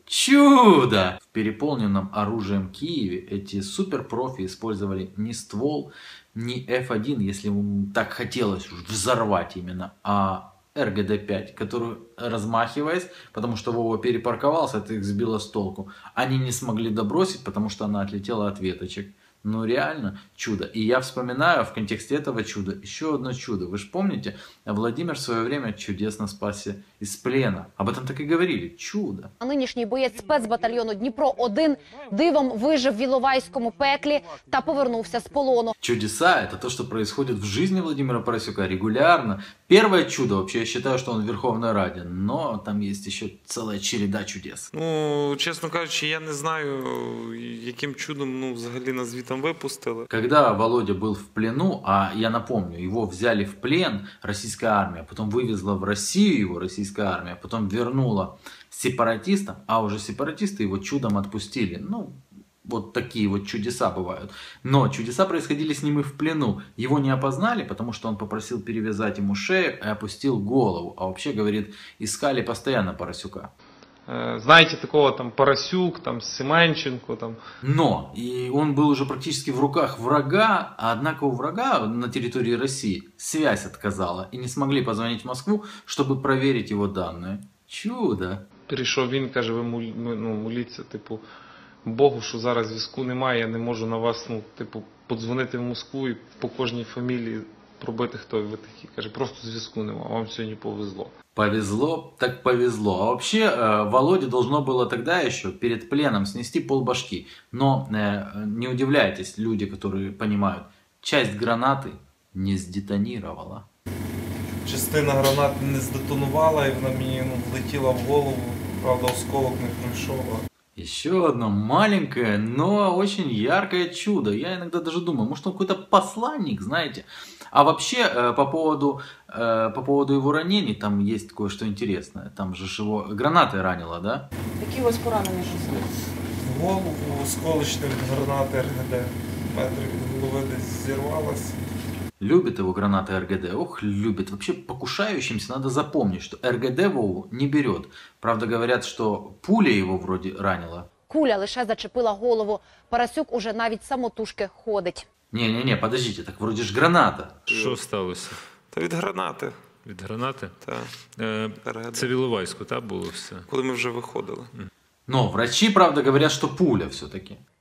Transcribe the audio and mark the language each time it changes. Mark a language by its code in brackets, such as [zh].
[ru] Чудо! В переполненном оружием Киеве эти суперпрофи использовали не ствол, не F1, если им так хотелось уж взорвать именно, а РГД-5, которую, размахиваясь, потому что Вова перепарковался, это их сбило с толку, они не смогли добросить, потому что она отлетела от веточек. Ну реально чудо. И я вспоминаю в контексте этого чуда еще одно чудо. Вы же помните, Владимир в свое время чудесно спасся из плена. Об этом так и говорили. Чудо. [uk] А нинішній боєць спецбатальйону Дніпро-1 дивом вижив в Іловайському пеклі та повернувся з полону. [ru] Чудеса – это то, что происходит в жизни Владимира Поросюка регулярно. Первое чудо вообще, я считаю, что он в Верховной Раде. Но там есть еще целая череда чудес. Ну, честно говоря, я не знаю, каким чудом, ну, [uk] взагалі на звіт там випустили. [ru] Когда Володя был в плену, а я напомню, его взяли в плен российская армия, потом вывезла в Россию его российская армия, потом вернула сепаратистам, а уже сепаратисты его чудом отпустили. Ну, вот такие вот чудеса бывают. Но чудеса происходили с ним и в плену. Его не опознали, потому что он попросил перевязать ему шею и опустил голову. А вообще, говорит, искали постоянно Поросюка. Знаете, такого там Поросюк, там Семенченко, там... Но! И он был уже практически в руках врага, а однако у врага на территории России связь отказала. И не смогли позвонить в Москву, чтобы проверить его данные. Чудо! Перешел він, каже, вы молиться, типу, Богу, что [uk] зараз зв'язку немає, [ru] я не могу на вас, ну, типу, подзвонить в Москву и по каждой фамилии пробити, кто вы такие. [uk] Каже, просто зв'язку немає, вам сегодня повезло. [ru] Повезло, так повезло. А вообще, Володе должно было тогда еще перед пленом снести полбашки. Но не удивляйтесь, люди, которые понимают, часть гранаты не сдетонировала. [uk] Частина гранаты не сдетонувала, и она мне, ну, влетела в голову. Правда, осколок не пройшов. [ru] Еще одно маленькое, но очень яркое чудо. Я иногда даже думаю, может, он какой-то посланник, знаете. А вообще, по поводу его ранений, там есть кое-что интересное. Там же его гранатой ранило, да? Какие у вас поранения сейчас? В голову осколочной гранаты РГД. Метр головы здесь взорвалось. Любит его гранаты РГД? Ох, любит. Вообще, покушающимся надо запомнить, что РГД Вову не берет. Правда, говорят, что пуля его вроде ранила. [uk] Куля лише зачепила голову. Поросюк уже навіть самотужки ходить. [ru] Не, подождите, так вроде ж граната. [uk] Що сталося? Та від гранати. Від гранати? Так. Це в Іловайську, так, було все? Коли ми вже виходили. Ну, врачі, правда, говорять, що пуля все-таки.